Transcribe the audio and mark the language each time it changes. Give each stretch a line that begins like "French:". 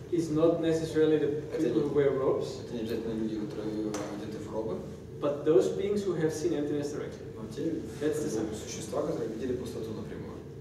English: It's not necessarily the people who wear robes.
Russian: Это не обязательно люди, которые одеты в робы.
English: But those beings who have seen emptiness directly. That's the sangha.
Russian: Существа, которые видели пустоту напрямую.